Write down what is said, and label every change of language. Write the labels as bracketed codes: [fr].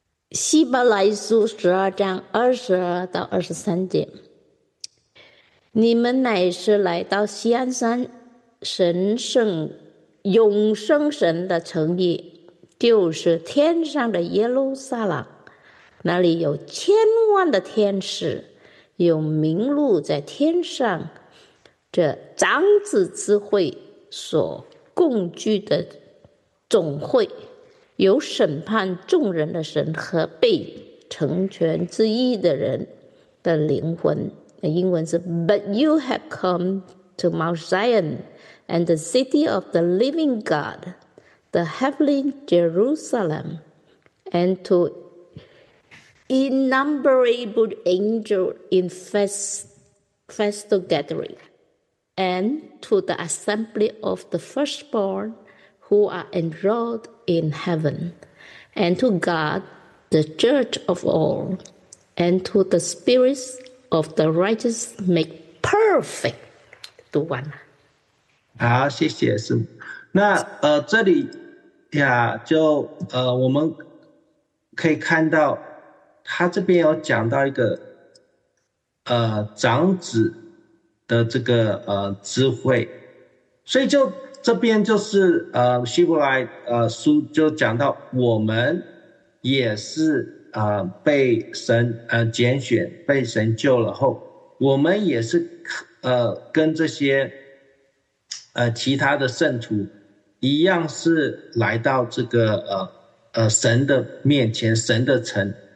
[zh] 希伯来书十二章二十二到二十三节，你们乃是来到锡安山神圣永生神的城邑，就是天上的耶路撒冷，那里有千万的天使，有名录在天上这长子之会所共聚的总会，有审判众人的神和被成全之意的人的灵魂。英文是 [en] But you have come to Mount Zion and the city of the living God, the heavenly Jerusalem, and to innumerable angels in festal gathering, and to the assembly of the firstborn who are enrolled in heaven, and to God, the judge of all, and to the spirits of the righteous make perfect. [zh] 读完了。好，谢谢师母。那这里呀，就我们可以看到，他这边有讲到一个长子的这个智慧，所以就这边就是希伯来书就讲到我们也是被神拣选，被神救了后，我们也是跟这些其他的圣徒一样，是来到这个神的面前，神的城。